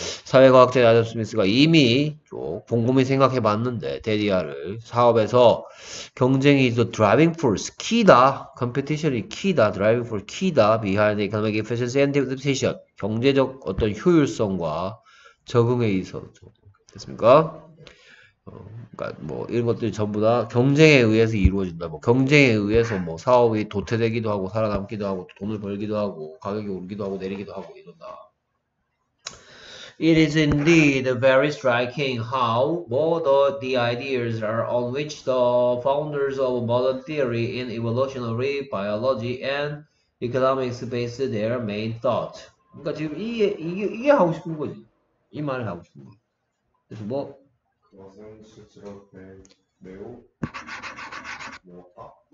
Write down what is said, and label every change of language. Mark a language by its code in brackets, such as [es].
[ko] 사회과학자 아담 스미스가 이미 곰곰이 생각해 봤는데, 데디아를 사업에서 경쟁이 [en] the driving force, [ko] 키다, competition이 키다, [en] driving force [ko] 키다, [en] behind economic efficiency and adaptation, [ko] 경제적 어떤 효율성과 적응에 있어서, 됐습니까? 그러니까 뭐 이런 것들이 전부 다 경쟁에 의해서 이루어진다. 뭐 경쟁에 의해서 뭐 사업이 도태되기도 하고 살아남기도 하고 돈을 벌기도 하고 가격이 오르기도 하고 내리기도 하고 이런다. [en] It is indeed very striking how both the ideas are on which the founders of modern theory in evolutionary biology and economics based their main thought. [ko] 그러니까 지금 이게 하고 싶은 거지. 이 말을 하고 싶은 거지. 그래서 뭐 그것은 실제로 매우 무엇다.